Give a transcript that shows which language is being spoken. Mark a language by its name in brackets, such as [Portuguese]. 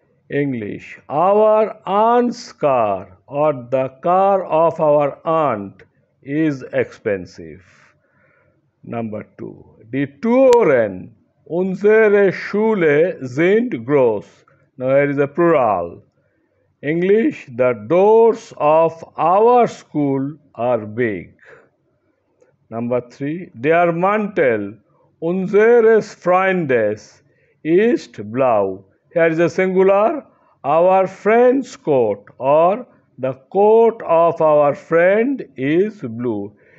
[English] English, our aunt's car or the car of our aunt is expensive. Number two. [German] Die Touren, unsere Schule sind groß. [English] Now, here is a plural. English, the doors of our school are big. Number 3, [German] der Mantel unseres Freundes ist blau. [English] Here is a singular, our friend's coat or the coat of our friend is blue.